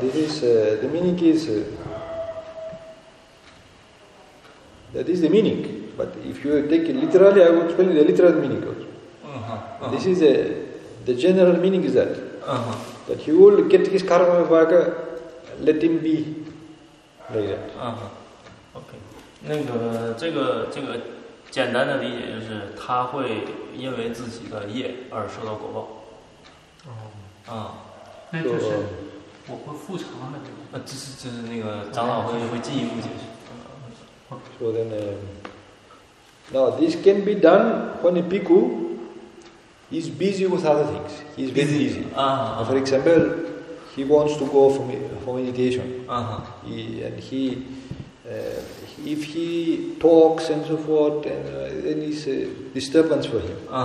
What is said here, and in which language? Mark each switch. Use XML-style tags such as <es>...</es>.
<en>This is, the meaning is, that is the meaning. But if you take it literally, I will explain the literal meaning also. This is the general meaning is that. That he will get his karma vipaka, let him be.</en> <zh>OK， 那个这个简单的理解就是他会因为自己的业而受到果报。那就是我会复偿的，对吗？就是那个长老会进一步解释。</zh> <en>So then, now this can be done when a bhikkhu is busy with other things. He's very busy. For example. He wants to go for meditation. If he talks and so forth, then it's a disturbance for him.</en>